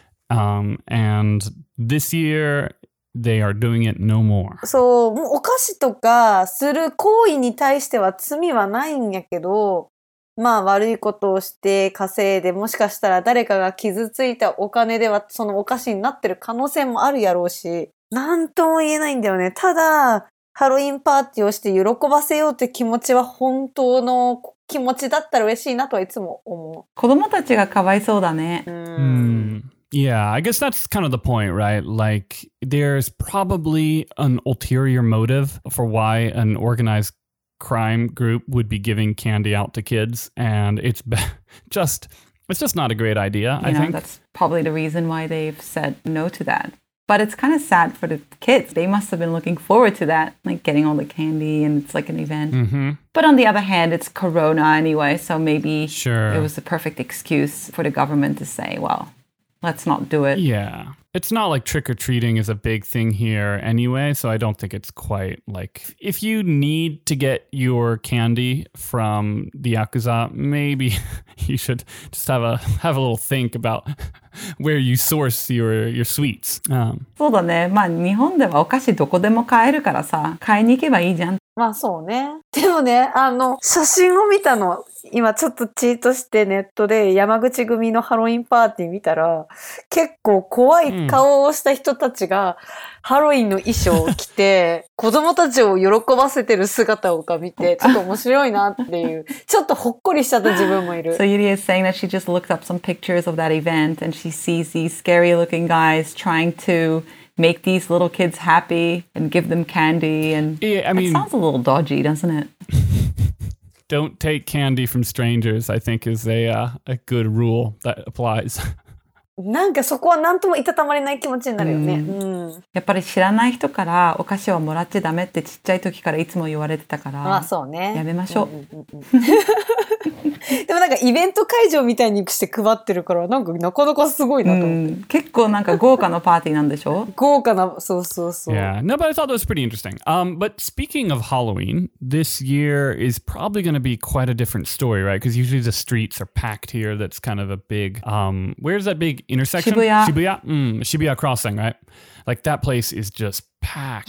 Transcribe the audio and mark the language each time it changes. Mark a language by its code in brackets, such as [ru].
[en] And this year, they are doing it no more. [ja] そう、もうお菓子とかする行為に対しては罪はないんやけど、まあ悪いことをして稼いで、もしかしたら誰かが傷ついたお金ではそのお菓子になってる可能性もあるやろうし、なんとも言えないんだよね。ただ、ハロウィンパーティーをして喜ばせようって気持ちは本当の気持ちだったら嬉しいなとはいつも思う。子供たちがかわいそうだね。 [en] Yeah, I guess that's kind of the point, right? Like, there's probably an ulterior motive for why an organized crime group would be giving candy out to kids, and it's just not a great idea, you I know, think. That's probably the reason why they've said no to that. But it's kind of sad for the kids. They must have been looking forward to that, like getting all the candy, and it's like an event. But on the other hand, it's Corona anyway, so maybe it was the perfect excuse for the government to say, well... Let's not do it. Yeah. It's not like trick-or-treating is a big thing here anyway, so I don't think it's quite like... If you need to get your candy from the Yakuza, maybe you should just have a little think about where you source your sweets. [ja] そうだね。まあ、日本ではお菓子どこでも買えるからさ、買いに行けばいいじゃん。まあ、そうね。でもね、写真を見たの。今ちょっとチートしてネットで山口組のハロウィンパーティー見たら結構怖い顔をした人たちがハロウィンの衣装を着て子供たちを喜ばせてる姿を見てちょっと面白いなっていうちょっとほっこりしちゃった自分もいる。 [en] So Yuri is saying that she just looked up some pictures of that event and she sees these scary looking guys trying to make these little kids happy and give them candy and yeah, I mean, that sounds a little dodgy, doesn't it? Don't take candy from strangers, I think, is a good rule that applies. [ja] なんかそこはなんともいたたまれない気持ちになるよね。やっぱり知らない人からお菓子をもらっちゃダメってちっちゃい時からいつも言われてたから。まあそうね。やめましょう。でもなんかイベント会場みたいにして配ってるからなんかなかなかすごいなと思って。結構なんか豪華なパーティーなんでしょ？豪華な、そうそうそう。 [en] Yeah, no, but I thought that was pretty interesting. But speaking of Halloween, this year is probably going to be quite a different story, right? Because usually the streets are packed here. That's kind of a big, where's that big intersection? Shibuya. Shibuya crossing, right? Like that place is just packed.